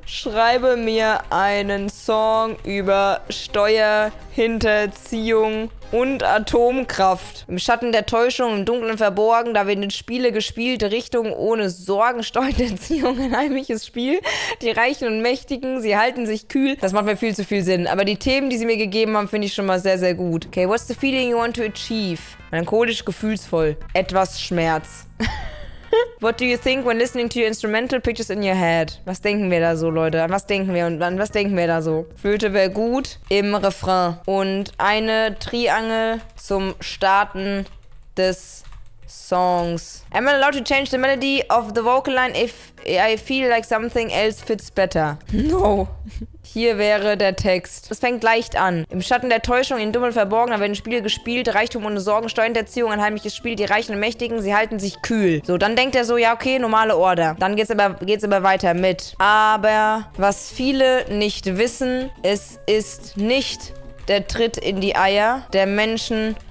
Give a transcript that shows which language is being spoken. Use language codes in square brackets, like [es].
[de] Schreibe mir einen Song über Steuerhinterziehung und Atomkraft. Im Schatten der Täuschung, im Dunkeln verborgen, da werden Spiele gespielt, Richtung ohne Sorgen, Steuerhinterziehung, ein heimliches Spiel. Die Reichen und Mächtigen, sie halten sich kühl. Das macht mir viel zu viel Sinn. Aber die Themen, die sie mir gegeben haben, finde ich schon mal sehr, sehr gut. [en] Okay, what's the feeling you want to achieve? [de] Melancholisch, gefühlsvoll. Etwas Schmerz. [en] What do you think when listening to your instrumental pictures in your head? [de] Was denken wir da so, Leute? An was denken wir? Und an was denken wir da so? Flöte wäre gut im Refrain. Und eine Triangel zum Starten des Songs. [en] Am I allowed to change the melody of the vocal line if I feel like something else fits better? [de] No. Hier wäre der Text. Es fängt leicht an. Im Schatten der Täuschung, in Dummel verborgen, da werden Spiele gespielt, Reichtum ohne Sorgen, Steuerhinterziehung, ein heimliches Spiel, die Reichen und Mächtigen, sie halten sich kühl. So, dann denkt er so, ja, okay, normale Order. Dann geht's aber weiter mit. Aber was viele nicht wissen, es ist nicht der Tritt in die Eier der Menschen